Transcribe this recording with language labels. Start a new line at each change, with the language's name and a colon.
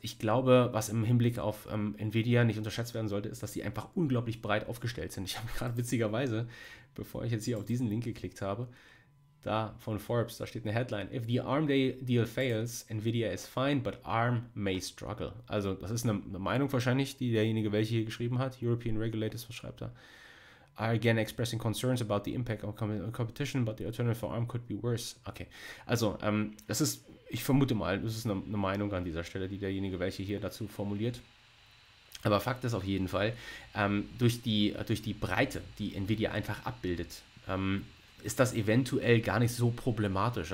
German: Ich glaube, was im Hinblick auf Nvidia nicht unterschätzt werden sollte, ist, dass die einfach unglaublich breit aufgestellt sind. Ich habe gerade witzigerweise, bevor ich jetzt hier auf diesen Link geklickt habe, da von Forbes, da steht eine Headline: If the ARM Deal fails, Nvidia is fine, but ARM may struggle. Also, das ist eine Meinung wahrscheinlich, die derjenige, welche hier geschrieben hat. European Regulators, was schreibt er?
English: Are again expressing concerns about the impact of competition, but the alternative for ARM could be worse.
German: Okay. Also, das ist, ich vermute mal, das ist eine Meinung an dieser Stelle, die derjenige, welche hier dazu formuliert. Aber Fakt ist auf jeden Fall, durch die Breite, die Nvidia einfach abbildet, ist das eventuell gar nicht so problematisch.